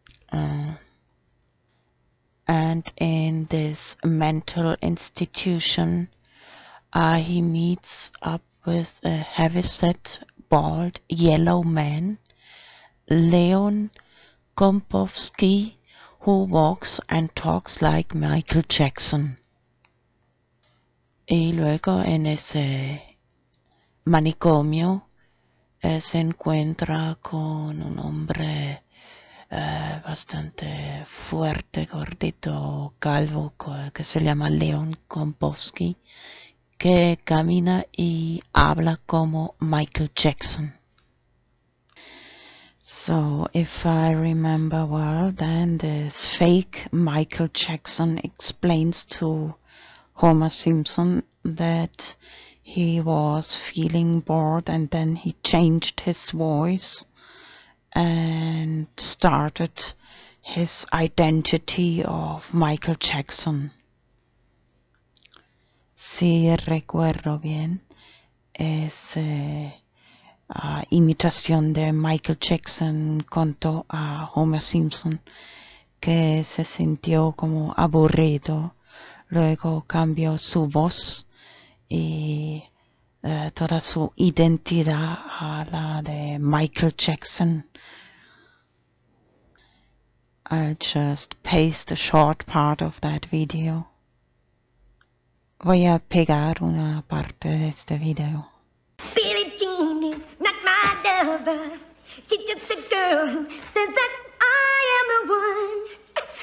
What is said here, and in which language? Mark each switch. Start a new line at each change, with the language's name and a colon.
English: And in this mental institution, he meets up with a heavyset, bald, yellow man, Leon Kompovsky, who walks and talks like Michael Jackson.
Spanish: Y luego en ese manicomio se encuentra con un hombre bastante fuerte, gordito, calvo, que se llama Leon Kompovsky, que camina y habla como Michael Jackson.
English: So, if I remember well, then this fake Michael Jackson explains to Homer Simpson that he was feeling bored and then he changed his voice and started his identity of Michael Jackson.
Spanish: Si recuerdo bien, ese imitación de Michael Jackson contó a Homer Simpson que se sintió como aburrido. Luego cambió su voz y toda su identidad a la de Michael Jackson.
English: I'll just paste a short part of that video.
Spanish: Voy a pegar una parte de este video.
English: Billie Jean is not my lover. She's just a girl who says that I am the one.